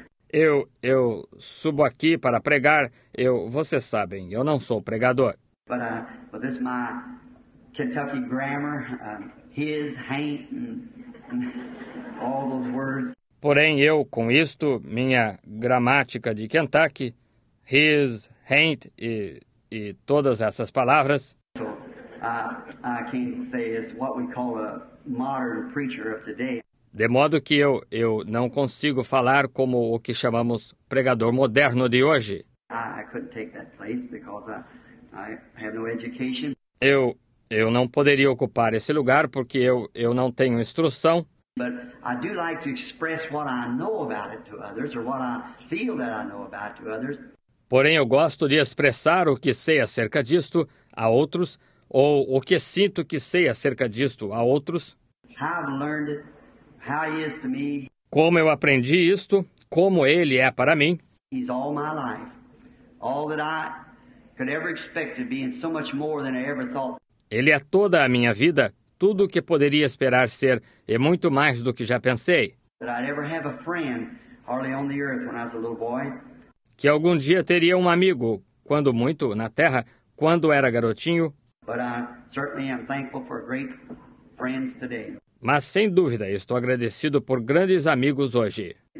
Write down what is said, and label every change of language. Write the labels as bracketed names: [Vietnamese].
[Portuguese] Eu subo aqui para pregar. Vocês sabem, eu não sou pregador. [English] But this is my Kentucky grammar, his, ain't, and all those words. [Portuguese] Porém, eu com isto, minha gramática de Kentucky, his, ain't e todas essas palavras. [English] So, I can't say it's what we call a modern preacher of today. [Portuguese] De modo que eu não consigo falar como o que chamamos pregador moderno de hoje. [English] I couldn't take that place because I have no education. [Portuguese] Eu não poderia ocupar esse lugar porque eu não tenho instrução. [English] But I do like to express what I know about it to others, or what I feel that I know about to others. [Portuguese] Porém, eu gosto de expressar o que sei acerca disto a outros, ou o que sinto que sei acerca disto a outros. [English] How I've learned it. How he is to me. [Portuguese] Como eu aprendi isto, como ele é para mim. [English] He's all my life. All that I could ever expect to be and so much more than I ever thought. [Portuguese] Ele é toda a minha vida, tudo o que poderia esperar ser e muito mais do que já pensei. [English] That I'd ever have a friend hardly on the earth when I was a little boy. [Portuguese] Que algum dia teria um amigo, quando muito na terra, quando era garotinho. [English] But I certainly am thankful for great friends today. [Portuguese] Mas, sem dúvida, estou agradecido por grandes amigos hoje.